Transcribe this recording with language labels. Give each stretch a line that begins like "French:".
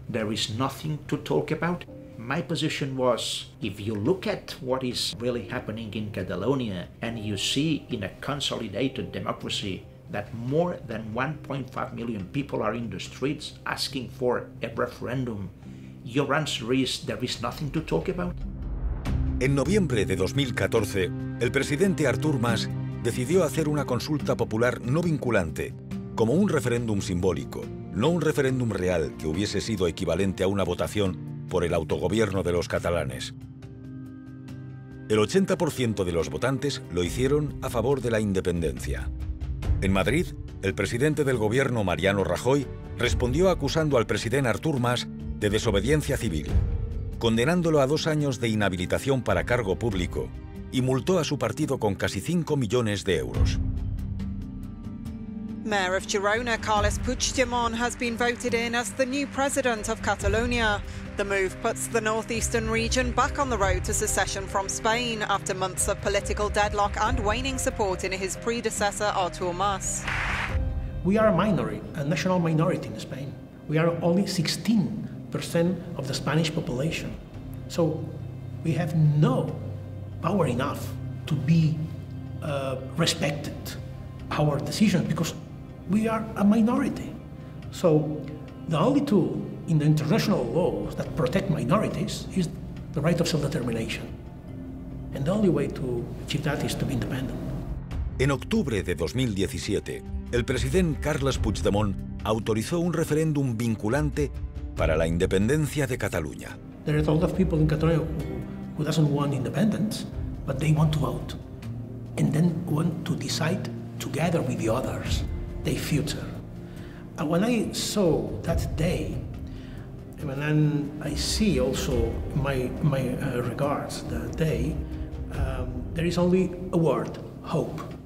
English: There is nothing to talk about. My position was, if you look at what is really happening in Catalonia and you see in a consolidated democracy that more than 1.5 million people are in the streets asking for a referendum, your answer is there is nothing to talk about.
Spanish: En noviembre de 2014, el presidente Artur Mas decidió hacer una consulta popular no vinculante, como un referéndum simbólico, no un referéndum real que hubiese sido equivalente a una votación por el autogobierno de los catalanes. El 80% de los votantes lo hicieron a favor de la independencia. En Madrid, el presidente del gobierno, Mariano Rajoy, respondió acusando al presidente Artur Mas de desobediencia civil, condenándolo a 2 años de inhabilitación para cargo público y multó a su partido con casi 5 millones de euros.
English: Mayor of Girona, Carles Puigdemont, has been voted in as the new president of Catalonia. The move puts the northeastern region back on the road to secession from Spain after months of political deadlock and waning support in his predecessor, Artur Mas. We are a minority, a national minority in Spain. We are only 16% of the Spanish population. So we have no power enough to be respected our decisions because we are a minority. So the only tool in the international laws that protect minorities is the right of self-determination. And the only way to achieve that is to be independent.
Spanish: En octubre de 2017, el presidente Carles Puigdemont autorizó un referéndum vinculante para la independencia de Cataluña.
English: There are a lot of people in Catalonia who doesn't want independence, but they want to vote. And then want to decide together with the others their future. And when I saw that day, and then I see also my regards the day, there is only a word, hope.